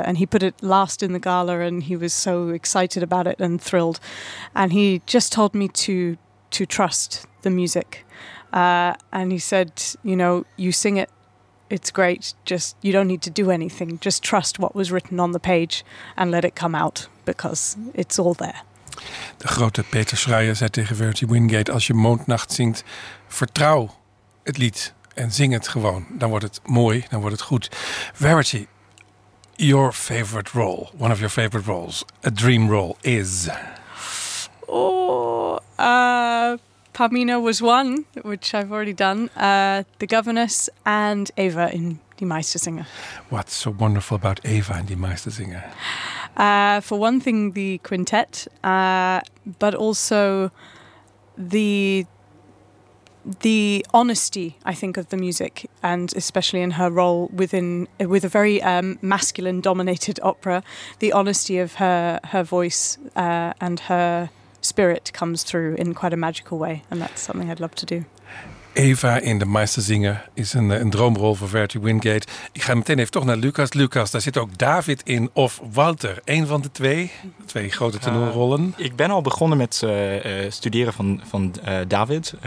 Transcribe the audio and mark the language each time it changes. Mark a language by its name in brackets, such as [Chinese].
[English] And he put it last in the gala, and he was so excited about it and thrilled. And he just told me to trust the music. And he said, you know, you sing it, it's great. Just, you don't need to do anything. Just trust what was written on the page and let it come out, because it's all there. [Dutch] De grote Peter Schreier zei tegen Verity Wingate: als je Mondnacht zingt, vertrouw het lied en zing het gewoon. Dan wordt het mooi, dan wordt het goed. [English] Verity, your favorite role, one of your favorite roles, a dream role is? Pamina was one, which I've already done. The Governess and Eva in Die Meistersinger. What's so wonderful about Eva in Die Meistersinger? For one thing, the quintet, but also the honesty, I think, of the music, and especially in her role with a very masculine-dominated opera, the honesty of her voice and her spirit comes through in quite a magical way, and that's something I'd love to do. [Dutch] Eva in de Meistersinger is een droomrol voor Verity Wingate. Ik ga meteen even toch naar Lucas. Lucas, daar zit ook David in of Walter. Een van de twee grote tenorrollen. Ik ben al begonnen met studeren van David.